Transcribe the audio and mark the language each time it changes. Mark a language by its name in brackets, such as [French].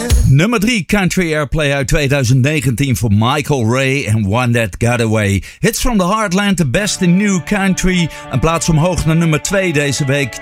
[Dutch] Nummer 3 Country Airplay uit 2019 voor Michael Ray en One That Got Away. [English] Hits from the Heartland, the best in new country. [Dutch] Een plaats omhoog naar nummer 2 deze week.